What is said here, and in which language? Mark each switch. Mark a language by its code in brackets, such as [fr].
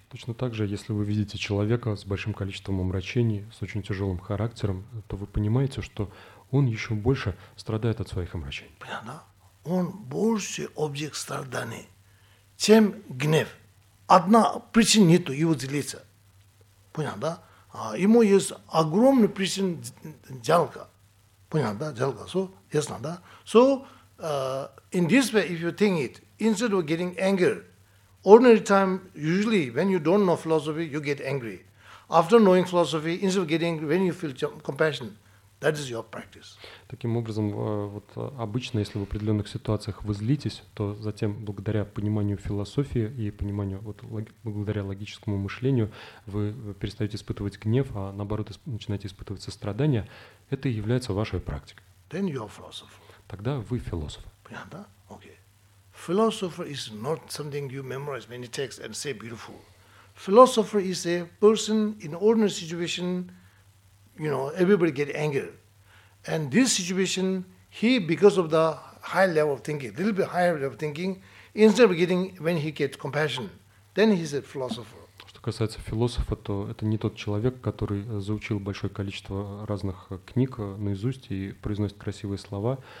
[ru] Точно так же, если вы видите человека с большим количеством омрачений, с очень тяжелым характером, то вы понимаете, что он еще больше страдает от своих омрачений. Понятно? Он больше объект страдания, чем гнев. Одна причина нету его злиться. Понятно, да? Ему есть огромная причина жалко. Понятно, да? Жалко. So, ясно, да? [en] So, in this way, if you think it, instead of getting anger, ordinary time, usually, when you don't know philosophy, you get angry. After knowing philosophy, instead of getting angry, when you feel compassion, that is your practice. [ru] Таким образом, вот обычно, если в определенных ситуациях вы злитесь, то затем, благодаря пониманию философии и пониманию, вот, благодаря логическому мышлению, вы перестаете испытывать гнев, а наоборот, начинаете испытывать сострадание. Это и является вашей практикой. [en] Then you are philosopher. [ru] Тогда вы философ. Понятно, да? Окей. [en] Philosopher is not something you memorize many texts and say beautiful. Philosopher is a person in ordinary situation. You know, everybody get anger. And this situation, he, because of the high level of thinking, little bit higher level of thinking, instead of getting, when he gets compassion, then he's a philosopher. [ru] Что касается философа, то это не тот человек, который заучил большое количество разных книг наизусть и произносит красивые слова.